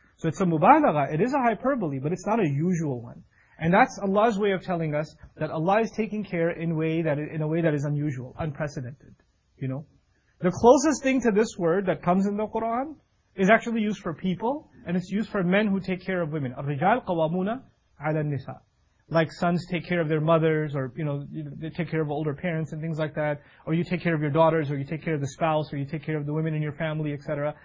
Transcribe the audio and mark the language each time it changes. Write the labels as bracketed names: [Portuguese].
[English] So it's a mubalagha, it is a hyperbole, but it's not a usual one. And that's Allah's way of telling us that Allah is taking care in a way that is unusual, unprecedented, you know. The closest thing to this word that comes in the Quran is actually used for people, and it's used for men who take care of women. [Arabic] الرجال قوامون على النساء. [English] Like sons take care of their mothers, or, you know, they take care of older parents and things like that, or you take care of your daughters, or you take care of the spouse, or you take care of the women in your family, etc.